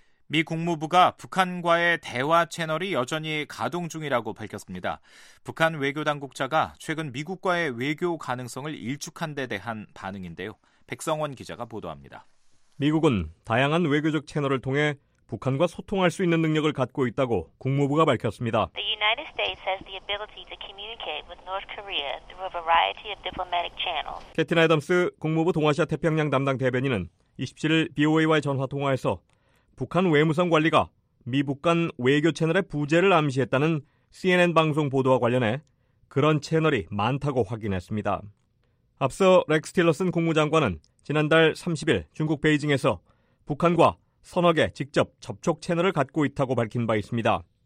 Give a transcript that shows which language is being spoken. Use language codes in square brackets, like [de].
[ko] 미 국무부가 북한과의 대화 채널이 여전히 가동 중이라고 밝혔습니다. 북한 외교 당국자가 최근 미국과의 외교 가능성을 일축한 데 대한 반응인데요. 백성원 기자가 보도합니다. 미국은 다양한 외교적 채널을 통해 북한과 소통할 수 있는 능력을 갖고 있다고 국무부가 밝혔습니다. [en] The United States has the ability to communicate with North Korea through a variety of diplomatic channels. [ko] 캐티나 애덤스 국무부 동아시아 태평양 담당 대변인은 27일 BOA와의 전화 통화에서 북한 외무성 관리가 미북 간 외교 채널의 부재를 암시했다는 CNN 방송 보도와 관련해 그런 채널이 많다고 확인했습니다. 앞서 렉스 틸러슨 국무장관은 지난달 30일 중국 베이징에서 북한과 서너 개 직접 접촉 채널을 갖고 있다고 밝힌 바 있습니다.